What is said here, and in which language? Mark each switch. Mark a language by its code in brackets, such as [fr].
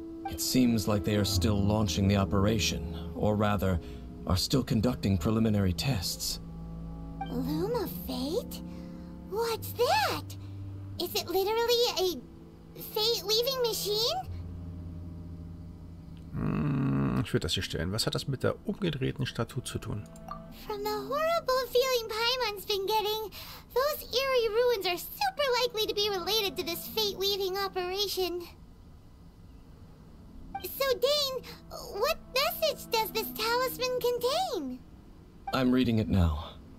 [en] It seems like they are still launching the operation, or rather, are still conducting preliminary tests. Loom of Fate? What's that? Is it literally a fate-weaving machine? [de] Ich würde das hier stellen. Was hat das mit der umgedrehten Statue zu tun? [en] From the horrible feeling Paimon's been getting, those eerie ruins are super likely to be related to this fate-weaving operation. So, Dane, what message does this talisman contain? I'm reading it now.